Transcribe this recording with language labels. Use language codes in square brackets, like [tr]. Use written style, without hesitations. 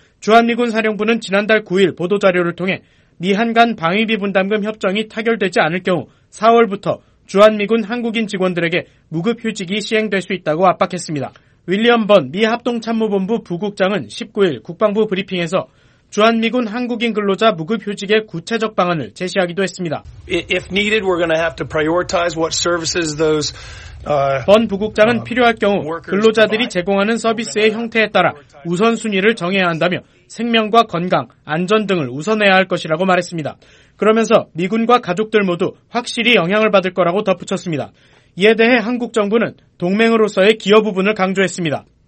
[ko] 주한미군 사령부는 지난달 9일 보도자료를 통해 미한 간 방위비 분담금 협정이 타결되지 않을 경우 4월부터 주한미군 한국인 직원들에게 무급휴직이 시행될 수 있다고 압박했습니다. 윌리엄 번 미 합동참모본부 부국장은 19일 국방부 브리핑에서 주한미군 한국인 근로자 무급휴직의 구체적 방안을 제시하기도 했습니다. [en] If needed, we're going to have to prioritize what services those [ko] 번 부국장은 필요할 경우 근로자들이 제공하는 서비스의 형태에 따라 우선순위를 정해야 한다며 생명과 건강, 안전 등을 우선해야 할 것이라고 말했습니다. 그러면서 미군과 가족들 모두 확실히 영향을 받을 거라고 덧붙였습니다. 이에 대해 한국 정부는 동맹으로서의 기여 부분을 강조했습니다.